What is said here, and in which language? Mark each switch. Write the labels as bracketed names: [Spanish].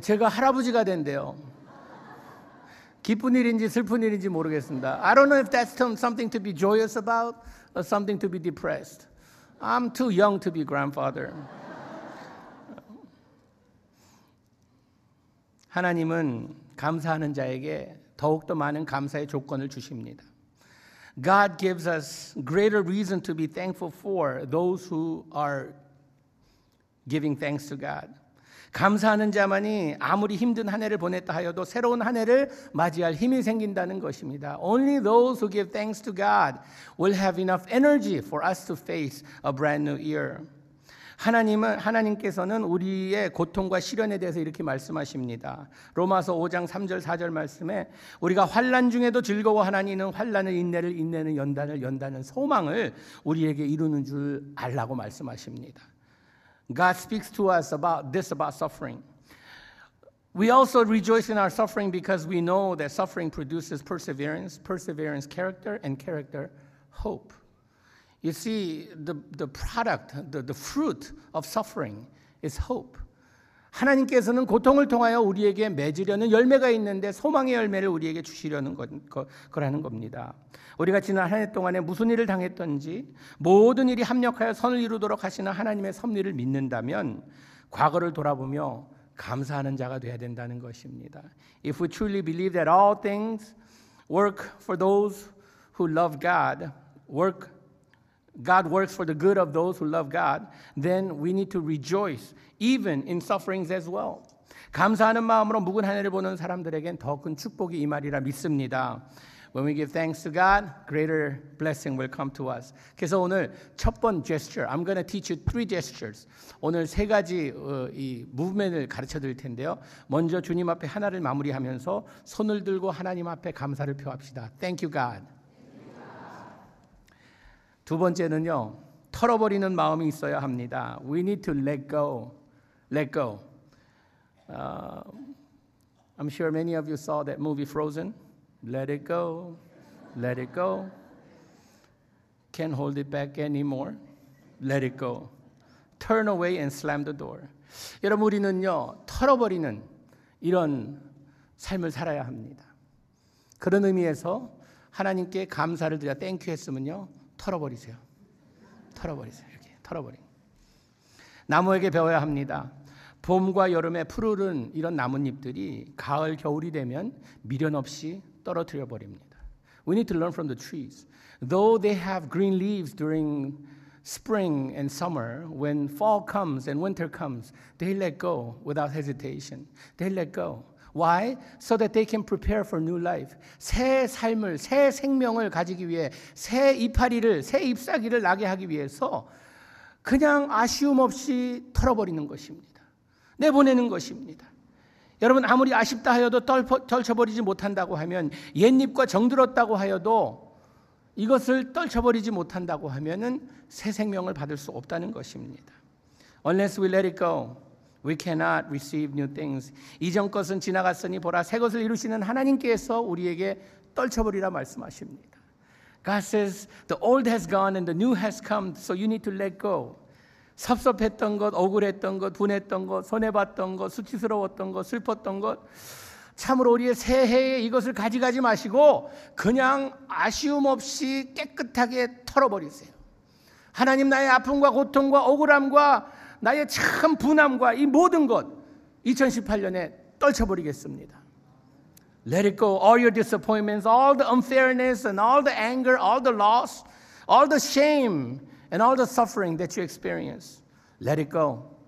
[Korean] 제가 할아버지가 된대요. 기쁜 일인지 슬픈 일인지 모르겠습니다. [English] I don't know if that's something to be joyous about or something to be depressed. I'm too young to be grandfather. [Korean] 하나님은 감사하는 자에게 더욱더 많은 감사의 조건을 주십니다. [English] God gives us greater reason to be thankful for those who are giving thanks to God. [Korean] 감사하는 자만이 아무리 힘든 한 해를 보냈다 하여도 새로운 한 해를 맞이할 힘이 생긴다는 것입니다. [English] Only those who give thanks to God will have enough energy for us to face a brand new year. [Korean] 하나님께서는 우리의 고통과 시련에 대해서 이렇게 말씀하십니다. 로마서 5장 3절 4절 말씀에 우리가 환난 중에도 즐거워하나니 이는 환난을 인내를 인내는 연단을 연단은 소망을 우리에게 이루는 줄 알라고 말씀하십니다. [English] God speaks to us about this about suffering. We also rejoice in our suffering because we know that suffering produces perseverance, perseverance character, and character hope. You see, the product, the fruit of suffering is hope. [Korean] 하나님께서는 고통을 통하여 우리에게 맺으려는 열매가 있는데 소망의 열매를 우리에게 주시려는 거라는 겁니다. 우리가 지난 한 해 동안에 무슨 일을 당했던지 모든 일이 합력하여 선을 이루도록 하시는 하나님의 섭리를 믿는다면 과거를 돌아보며 감사하는 자가 되어야 된다는 것입니다. [English] If we truly believe that all things work for those who love God, God works for the good of those who love God, then we need to rejoice even in sufferings as well. [Korean] 감사하는 마음으로 묵은 하늘을 보는 사람들에겐 더 큰 축복이 이 말이라 믿습니다. [English] When we give thanks to God, greater blessing will come to us. [Korean] 그래서 오늘 첫 번 [English] gesture, I'm going to teach you three gestures. [Korean] 오늘 세 가지 이 movement을 가르쳐 드릴 텐데요. 먼저 주님 앞에 하나를 마무리하면서 손을 들고 하나님 앞에 감사를 표합시다. [English] Thank you, God. [Korean] 두 번째는요, 털어버리는 마음이 있어야 합니다. [English] We need to let go, let go. I'm sure many of you saw that movie Frozen. Let it go, let it go. Can't hold it back anymore. Let it go. Turn away and slam the door. [Korean] 여러분, 우리는요, 털어버리는 이런 삶을 살아야 합니다. 그런 의미에서 하나님께 감사를 드려 땡큐 했으면요, 털어버리세요. 털어버리세요. 이렇게 털어버린. 나무에게 배워야 합니다. 봄과 여름에 푸르른 이런 나뭇잎들이 가을, 겨울이 되면 미련 없이 떨어뜨려 버립니다. [English] We need to learn from the trees. Though they have green leaves during spring and summer, when fall comes and winter comes, they let go without hesitation. They let go. Why? So that they can prepare for new life. [Korean] 새 삶을, 새 생명을 가지기 위해, 새 이파리를, 새 잎사귀를 나게 하기 위해서 그냥 아쉬움 없이 털어버리는 것입니다. 내보내는 것입니다. 여러분, 아무리 아쉽다 하여도 떨쳐버리지 못한다고 하면, 옛잎과 정들었다고 하여도 이것을 떨쳐버리지 못한다고 하면은 새 생명을 받을 수 없다는 것입니다. [English] Unless we let it go, we cannot receive new things. [Korean] 이전 것은 지나갔으니 보라 새 것을 이루시는 하나님께서 우리에게 떨쳐버리라 말씀하십니다. [English] God says, the old has gone and the new has come, so you need to let go. [Korean] 섭섭했던 것, 억울했던 것, 분했던 것, 손해봤던 것, 수치스러웠던 것, 슬펐던 것, 참으로 우리의 새해에 이것을 가져가지 마시고 그냥 아쉬움 없이 깨끗하게 털어버리세요. 하나님, 나의 아픔과 고통과 억울함과 나의 참 분함과 이 모든 것 2018년에 떨쳐버리겠습니다. [English] Let it go. All your disappointments, all the unfairness and all the anger, all the loss, all the shame and all the suffering that you experience, let it go.